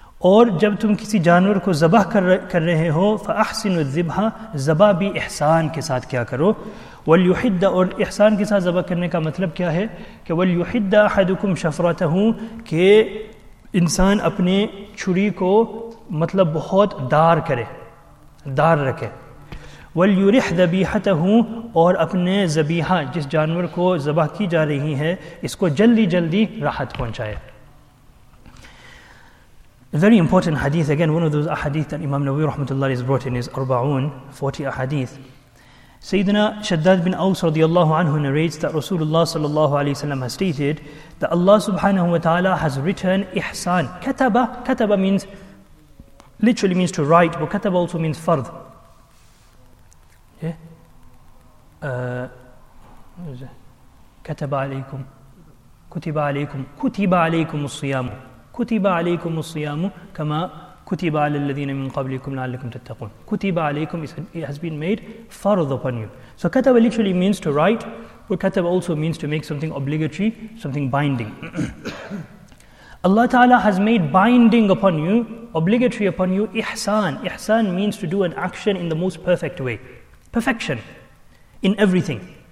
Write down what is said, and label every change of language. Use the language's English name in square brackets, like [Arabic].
[Urdu] اور جب تم کسی جانور کو ذبح کر رہے ہو [Arabic] فَأَحْسِنُ الذِّبْحَ [Urdu] ذبح بھی احسان کے ساتھ کیا کرو [Arabic] وَلْيُحِدَّ [Urdu] اور احسان کے ساتھ ذبح کرنے کا مطلب کیا ہے کہ [Arabic] وَلْيُحِدَّ أَحَدُكُمْ شَفْرَتَهُ [Urdu] کہ انسان اپنے چھری کو مطلب بہت دار کرے دار رکھے [Arabic] وَلْيُرِحْ ذَبِيحَتَهُ [Urdu] اور اپنے ذبیحہ جس جانور کو ذبح کی جا رہی ہے اس کو جلدی جلدی راحت پہنچائے. [English] Very important hadith. Again, one of those ahadith that Imam Nawawi rahmatullah has brought in his Arba'un, 40 ahadith. Sayyidina Shaddad bin Aws radiyallahu anhu narrates that Rasulullah sallallahu alayhi wa sallam has stated that Allah subhanahu wa ta'ala has written ihsan. Kataba, kataba means, literally means to write, but kataba also means fard. [Arabic] Kataba alaykum, kutiba alaykum, kutiba alaykum al-siyamu. كتب عليكم الصيام كما كتب على الذين من قبلكم لعلكم تتقون. كتب عليكم, [English] it has been made farz upon you. So كتب literally means to write, but كتب also means to make something obligatory, something binding. Allah Ta'ala has made binding upon you, obligatory upon you, ihsan. Ihsan means to do an action in the most perfect way. Perfection in everything.